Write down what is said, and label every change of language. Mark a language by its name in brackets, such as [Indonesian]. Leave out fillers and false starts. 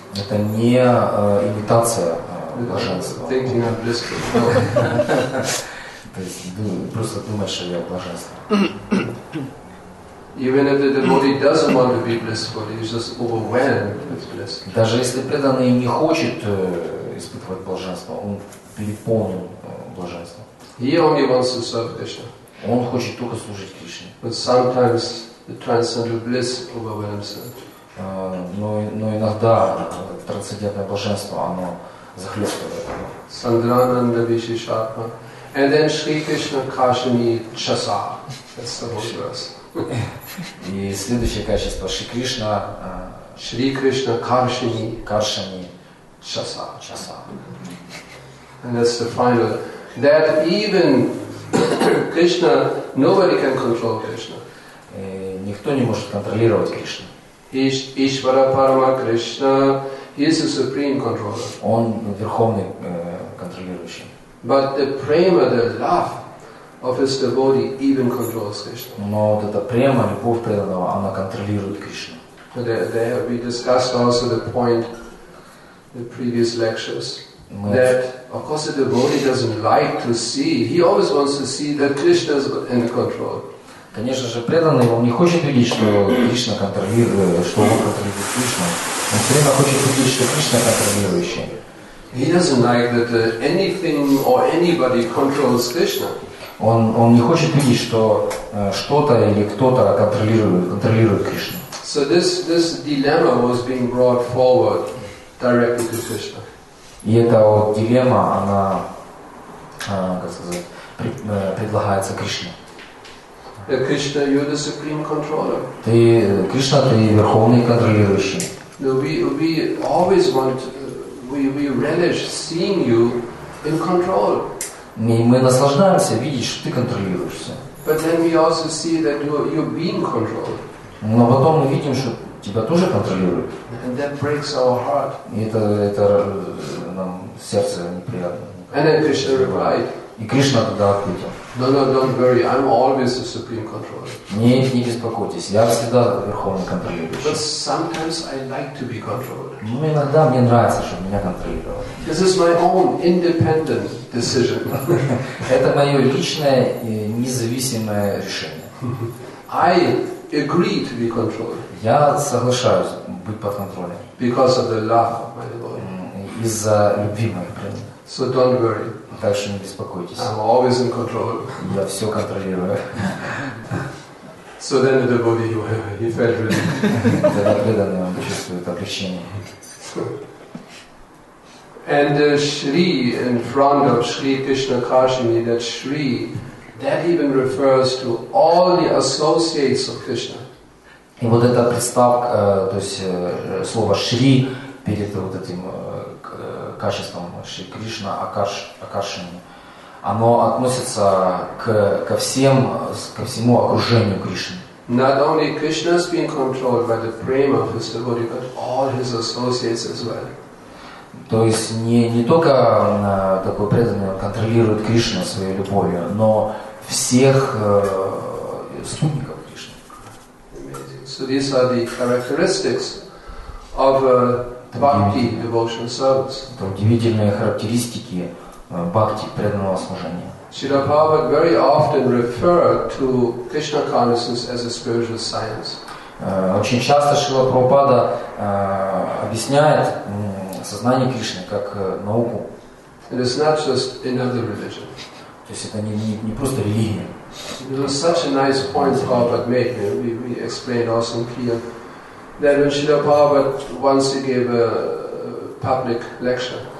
[Russian] Это не имитация блаженства. [English] Thinking of bliss. [Russian] То есть просто думать, что я блаженство. [English] Even if the devotee doesn't want to be blissful, he's just overwhelmed with bliss. [Russian] Даже если преданный не хочет испытывать блаженство, он переполнен блаженством. [English] He only wants to serve Krishna. [Russian] Он хочет только служить Кришне. [English] But sometimes the transcendental bliss overwhelms him. [Russian] Но иногда трансцендентное блаженство, оно захлестывает. [English] Sandrananda Vishishatma. And then Shri Krishna Kashini Chasa. That's the whole verse. [Russian] И следующее качество Шри Кришна. Шри Кришна Каршини. Каршини Часа. Часа. [English] And that's the final that even Krishna, nobody can control Krishna. [Russian] Никто не может контролировать Кришну. [English] Ишвара Парама Кришна, he is the supreme controller. [Russian] Он верховный контролирующий. [English] But the prema, the love of his devotee even controls Krishna. [Russian] Но вот эта према, любовь преданного, она контролирует Кришну. [English] There we discussed also the point in the previous lectures. That, of course, the devotee doesn't like to see. He always wants to see that Krishna is in control. [Russian] Конечно же, преданный, он не хочет видеть, что Кришна контролирует, что он контролирует Кришну. Он все время хочет видеть, что Кришна контролирующий. [English] He doesn't like that anything or anybody controls Krishna. [Russian] Он не хочет видеть, что что-то или кто-то контролирует Кришну. [English] So this dilemma was being brought forward directly to Krishna. [Russian] И эта вот дилемма, она, как сказать, предлагается Кришне. [English] Кришна, you're the supreme controller. [Russian] Ты, Кришна, ты верховный контролирующий. [English] No, we always want, we relish seeing you in control. [Russian] Мы наслаждаемся видеть, что ты контролируешь все. [English] But then we also see that you're being controlled. [Russian] Но потом мы видим, что тебя тоже контролируют. [English] And that breaks our heart. [Russian] И это нам сердце неприятно. [English] And then Krishna replied. [Russian] И Кришна тогда ответил. [English] No, no, don't worry. I'm always the supreme controller. [Russian] Не беспокойтесь, я всегда верховный контролирующий. [English] But sometimes I like to be controlled. [Russian] Но иногда мне нравится, чтобы меня контролировали. [English] This is my own independent decision. [Russian] Это мое личное независимое решение. [English] I agree to be controlled. [Russian] Я соглашаюсь быть под контролем. [English] Because of the love of my Lord. [Russian] Из-за любви моей природы. [English] So don't worry. [Russian] Так что не беспокойтесь. [English] I'm always in control. [Russian] Я все контролирую. [English] So then the devotee, he felt relieved. [Russian] Тогда преданный он чувствует облегчение. [English] And Shri, in front of Shri Krishna Kashimi, that Shri, that even refers to all the associates of Krishna. [Russian] И вот эта приставка, то есть слово Шри перед вот этим качеством Шри Кришна, Акашини, оно относится ко всему окружению Кришны. [English] Not only Krishna is being controlled by the prema of his devotee, but all his associates as well. [Russian] То есть не только такой преданный контролирует Кришну своей любовью, но всех спутников Кришны. [English] So these are the characteristics of bhakti devotional service. [Russian] Это удивительные характеристики бхакти преданного служения. [English] Srila Prabhupada very often referred to Krishna consciousness as a spiritual science. [Russian] Очень часто Шрила Прабхупада объясняет сознание Кришны как науку. [English] It is not just another religion. [Russian] То есть это не просто религия. [English] It was such a nice point Prabhupada made. We explained also in Kriya that when Srila Prabhupada once he gave a public lecture.